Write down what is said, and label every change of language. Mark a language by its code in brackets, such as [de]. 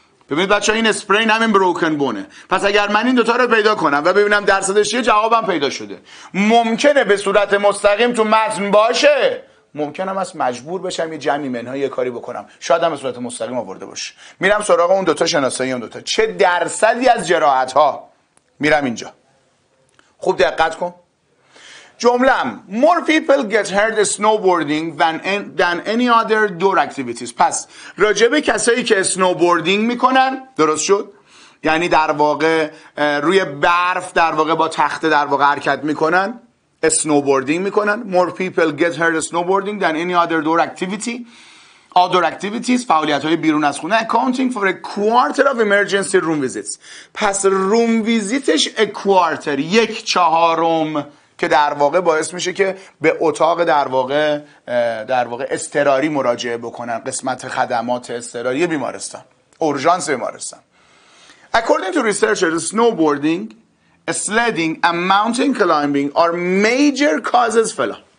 [fa] ببینید بچه ها این اسپرین همین بروکن بونه، پس اگر من این دوتا رو پیدا کنم و ببینم درصدش یه جوابم پیدا شده، ممکنه به صورت مستقیم تو متن باشه، ممکنم از مجبور بشم یه جمعی منها یه کاری بکنم، شاید هم به صورت مستقیم آورده باشه. میرم سراغ اون دوتا شناسایی اون دوتا چه درصدی از جراحت ها. میرم اینجا خوب دقت کن جملم. [en] More people get hurt snowboarding than any other door activities. [fa] پس راجب کسایی که snowboarding میکنن، درست شد؟ یعنی در واقع روی برف در واقع با تخته در واقع حرکت میکنن، snowboarding میکنن. [en] More people get hurt snowboarding than any other door activity. Outdoor activities، [fa] فعالیت های بیرون از خونه. [en] Accounting for a quarter of emergency room visits. [fa] پس روم ویزیتش [en] a quarter، [fa] یک چهارم، که در واقع باعث میشه که به اتاق در واقع اضطراری مراجعه بکنن، قسمت خدمات اضطراری بیمارستان، اورژانس بیمارستان. [en] According to researchers, snowboarding, sledding and mountain climbing are major causes فلا.